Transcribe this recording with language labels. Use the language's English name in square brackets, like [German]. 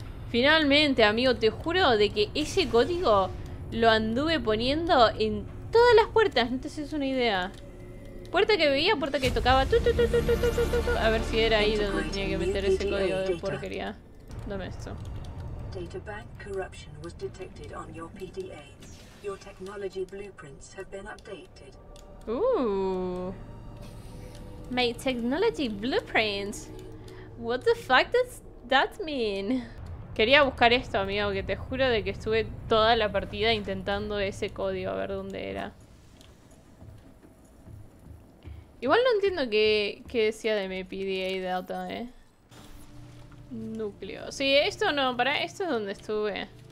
[Spanish] Finalmente, amigo, te juro de que ese código lo anduve poniendo en todas las puertas. No te haces una idea. Puerta que veía, puerta que tocaba. Tu, tu, tu, tu, tu, tu, tu, tu. A ver si era ahí donde tenía que meter ese código de porquería. Dame esto. [English] Databank corruption was detected on your PDA. Your technology blueprints have been updated. Ooh. My technology blueprints. What the fuck does that mean? [Spanish] Quería buscar esto, amigo, que te juro de que estuve toda la partida intentando ese código a ver dónde era. Igual no entiendo qué decía de mi PDA data, ¿eh? Núcleo. Sí, esto no, para esto es donde estuve.